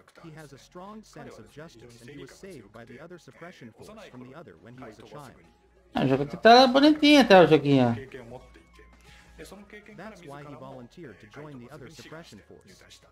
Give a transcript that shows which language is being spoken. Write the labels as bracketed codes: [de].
[en] He has a strong sense of justice and he was saved by the other suppression force from the other when he was a child. [pt] Ah, o jogo tá bonitinho até o joguinho. [en] That's why he volunteered to join the other suppression force.